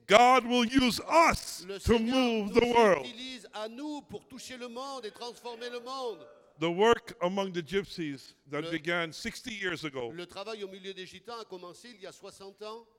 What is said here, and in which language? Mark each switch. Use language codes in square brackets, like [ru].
[en] God will use us to move the world. [fr] Le Seigneur nous utilise à nous pour toucher le monde et transformer le monde. [en] The work among the gypsies that began 60 years ago. [fr] Le travail au milieu des gitans a commencé il y a 60 ans.